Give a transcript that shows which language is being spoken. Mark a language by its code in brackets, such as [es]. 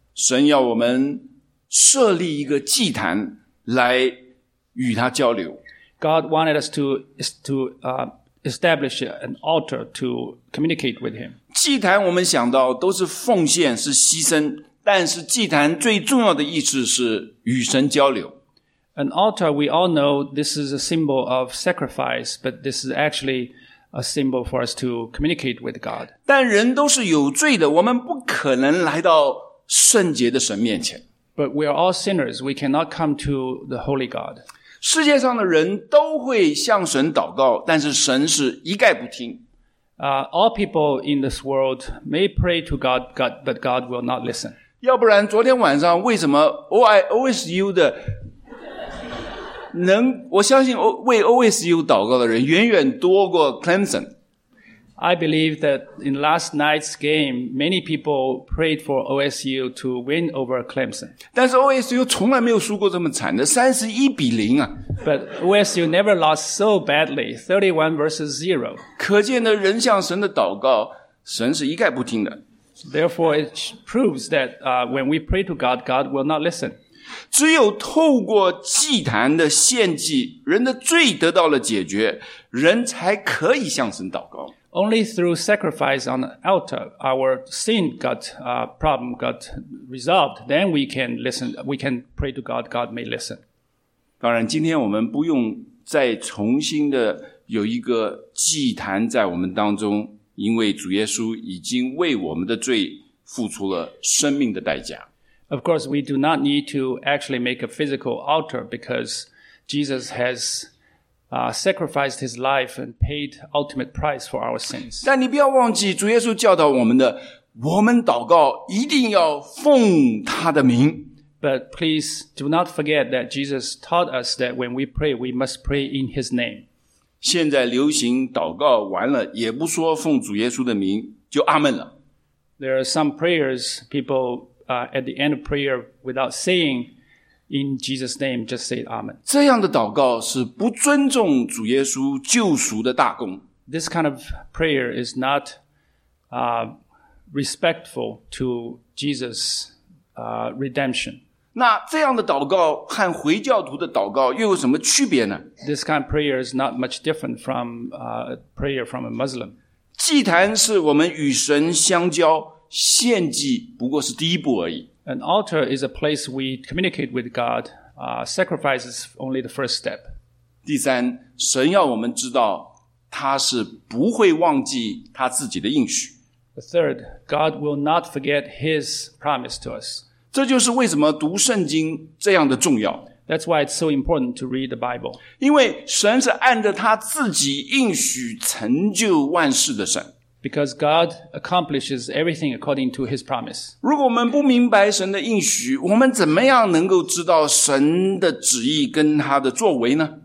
[zh] 神要我们设立一个祭坛来与他交流。 [en] God wanted us to establish an altar to communicate with him. [zh] 祭坛我们想到都是奉献，是牺牲，但是祭坛最重要的意思是与神交流。 [en] An altar, we all know this is a symbol of sacrifice, but this is actually a symbol for us to communicate with God. [zh] 但人都是有罪的，我们不可能来到圣洁的神面前。 [en] But we are all sinners, we cannot come to the holy God. [zh] 世界上的人都会向神祷告，但是神是一概不听。 [en] All people in this world may pray to God, but God will not listen. [zh] 要不然昨天晚上为什么 OSU 的能，我相信为 OSU 祷告的人远远多过 Clemson。 [en] I believe that in last night's game, many people prayed for OSU to win over Clemson. [zh] 但是 OSU 从来没有输过这么惨的 ,31-0 啊。 [en] But OSU never lost so badly, 31-0. [zh] 可见的人向神的祷告，神是一概不听的。 [en] Therefore, it proves that, when we pray to God, God will not listen. [zh] 只有透过祭坛的献祭，人的罪得到了解决，人才可以向神祷告。 [en] Only through sacrifice on the altar, our sin got, problem got resolved. Then we can listen, we can pray to God, God may listen. [zh] 当然今天我们不用再重新的有一个祭坛在我们当中，因为主耶稣已经为我们的罪付出了生命的代价。 [en] Of course, we do not need to actually make a physical altar because Jesus has sacrificed his life and paid ultimate price for our sins. [zh] 但你不要忘记主耶稣教导我们的，我们祷告一定要奉他的名。 [en] But please do not forget that Jesus taught us that when we pray, we must pray in his name. [zh] 现在流行祷告完了也不说奉主耶稣的名就阿们了。 [en] There are some prayers people, at the end of prayer without saying,In Jesus' name, just say Amen. [zh] 这样的祷告是不尊重主耶稣救赎的大功。 [en] This kind of prayer is not, respectful to Jesus', redemption. [zh] 那这样的祷告和回教徒的祷告又有什么区别呢？ [en] This kind of prayer is not much different from, prayer from a Muslim. [zh] 祭坛是我们与神相交，献祭不过是第一步而已。 [en] An altar is a place we communicate with God. Sacrifice is only the first step. [zh] 第三，神要我们知道他是不会忘记他自己的应许。 [en] The third, God will not forget His promise to us. [zh] 这就是为什么读圣经这样的重要。 [en] That's why it's so important to read the Bible. [zh] 因为神是按着他自己应许成就万事的神。 [en] Because God accomplishes everything according to His promise. [zh] 如果我们不明白神的应许，我们怎么样能够知道神的旨意跟他的作为呢？